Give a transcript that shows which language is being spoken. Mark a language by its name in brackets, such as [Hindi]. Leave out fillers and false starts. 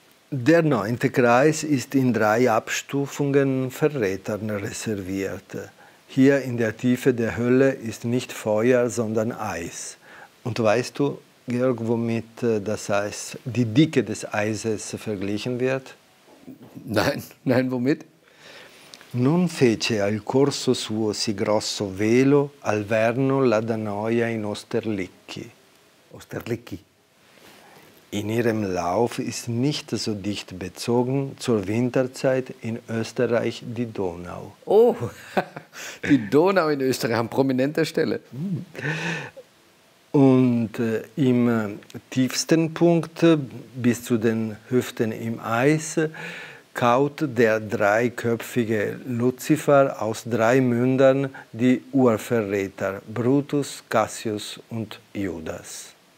[German] Der neunte Kreis ist in drei Abstufungen Verrätern reserviert. Hier in der Tiefe der Hölle ist nicht Feuer, sondern Eis. Und weißt du, Georg, womit das Eis, die Dicke des Eises verglichen wird? Nein, womit? [Italian] Non fece al corso suo si grosso velo al verno la danoia in Osterlicki. Osterlicki. [German] In ihrem Lauf ist nicht so dicht bezogen zur Winterzeit in Österreich die Donau. Oh, die Donau in Österreich an prominenter Stelle. Und im tiefsten Punkt bis zu den Hüften im Eis kaut der dreiköpfige Luzifer aus drei Mündern die Urverräter Brutus, Cassius und Judas.